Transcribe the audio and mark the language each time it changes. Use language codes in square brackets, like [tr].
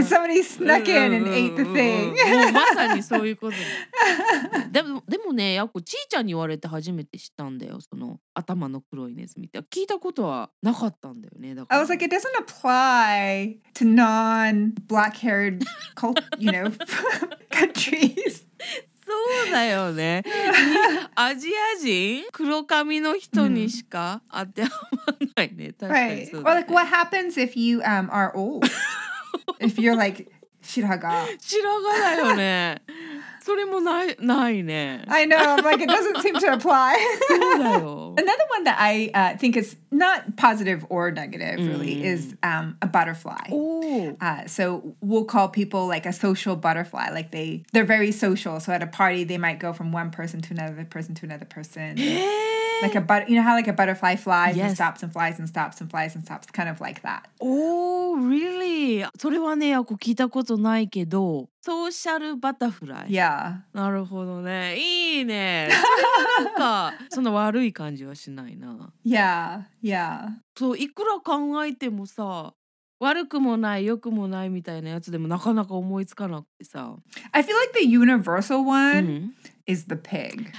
[en] Because somebody snuck in and ate the thing. [ja] もうまさにそういうこと。でもね、ヤコ、ちーちゃんに言われて初めて知ったんだよ。その頭の黒いネズミって。聞いたことはなかったんだよね。だから [en] I was like, it doesn't apply to non-black-haired cult, you know, countries. [ja] そうだよね。アジア人、黒髪の人にしか当てはまないね。確かにそうだね。 [en] Right. Or like what happens if you are old? If you're like 白髪。 [ja] 白髪だよね。それもないね。 [en] I know. I'm like it doesn't seem to apply. [ja] そうだよ。 [en] Another one that I think is not positive or negative really is a butterfly. So we'll call people like a social butterfly. Like they're very social. So at a party, they might go from one person to another person to another person. Like a butterfly, you know how like a butterfly flies and stops and flies and stops and flies and stops, kind of like that. Oh, really? [ja] それはね、こう聞いたことないけど、ソーシャルバタフライ。 [en] Yeah. [ja] なるほどね。いいね。そんな悪い感じはしないな。 [en] Yeah, yeah. [ja] そう、いくら考えてもさ、悪くもない、良くもないみたいなやつでもなかなか思いつかなくてさ。 [en] I feel like the universal one is the pig.